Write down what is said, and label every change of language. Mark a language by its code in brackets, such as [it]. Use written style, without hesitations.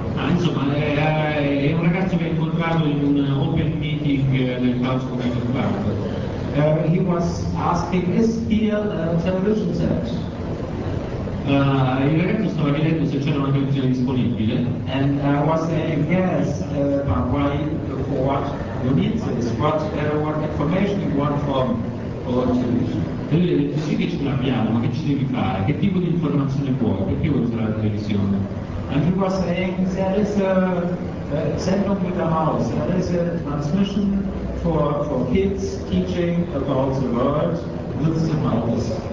[it] insomma, è un ragazzo che ha incontrato in un open meeting del Chaos Computer Club. [en] he was asking, is here a television set? [it] Il ragazzo stava chiedendo se c'era una televisione disponibile. [en] And I was saying, yes, but why, for what you need this? What information you want from our television? [it] E lui ha detto, sì che ce l'abbiamo, ma che ci devi fare? Che tipo di informazione vuoi? Perché vuoi usare la televisione? [en] And he was saying, there is a sendung with the house, there is a transmission for kids teaching about the world with the mouse.